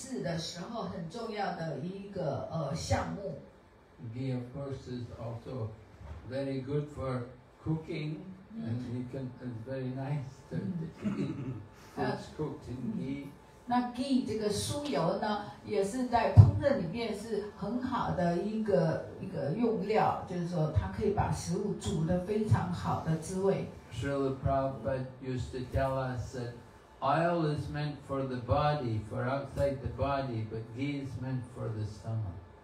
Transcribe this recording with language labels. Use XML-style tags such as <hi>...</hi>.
<zh>而且我们也是用牛奶来制成这个酥油，然后这个酥油呢是我们在做祭祀的时候很重要的一个项目。</zh> <en>Ghee, of course, is also very good for cooking. And you can, it's very nice to eat. It's cooked in ghee.</en> <zh>那 ghee 这个酥油呢，也是在烹饪里面是很好的一个用料，就是说它可以把食物煮得非常好的滋味。</zh> <en>Srila Prabhupada used to tell us that oil is meant for the body, for outside the body, but ghee is meant for the stomach.</en>